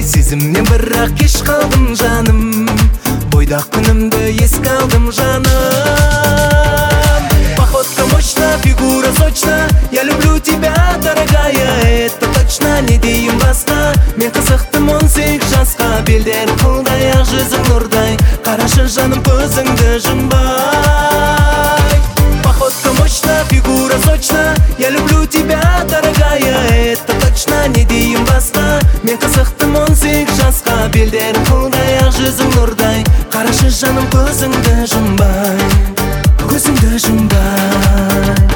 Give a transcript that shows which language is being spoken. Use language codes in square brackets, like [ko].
[kk] сенен бірақ кеш қалдым жаным, бойдақ күнімді еске алдым жаным. [ru] Походка мощна, фигура сочна, я люблю тебя, дорогая, это точно. [kk] Не дейін басқа, мен қызықтым 18 жасқа. Белдер қылдай, ақ жүзің нұрдай, қарашы жаным көзіңді жұмбай. [ru] Походка мощна, фигура сочна, я люблю тебя, дорогая, это точно. [kk] Не дейін басқа, мен қызықтым 18 жасқа. Белдер қылдай, ақ жүзің нұрдай, қарашы жаным көзіңді жұмбай, көзіңді жұмбай.